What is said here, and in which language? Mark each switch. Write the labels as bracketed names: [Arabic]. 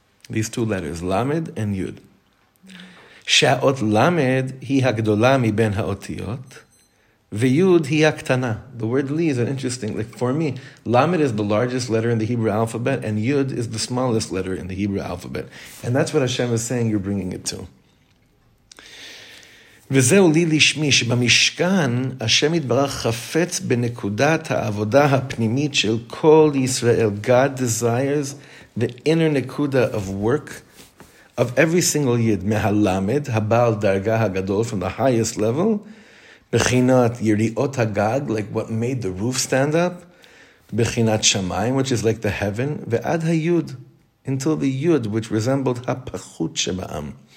[English] These two letters, lamed and yud. [Hebrew] Sha'ot lamed hi hagdola mi ben ha'otiyot, v'yud hi haktana. [English] The word li is an interesting, like for me, lamed is the largest letter in the Hebrew alphabet, and yud is the smallest letter in the Hebrew alphabet. And that's what Hashem is saying you're bringing it to. [Hebrew] וזהו לי לשמי שבמשכן השם יתברך חפץ בנקודת העבודה הפנימית של כל ישראל. [English] God desires the inner nekuda of work of every single yid, [Hebrew] מהלמד, הבעל דרגה הגדול, [English] from the highest level, [Hebrew] בחינת יריעות הגג, [English] like what made the roof stand up, [Hebrew] בחינת שמיים, [English] which is like the heaven, [Hebrew] ועד היוד, [English] until the yud, which resembled [Hebrew] הפחות שבעם.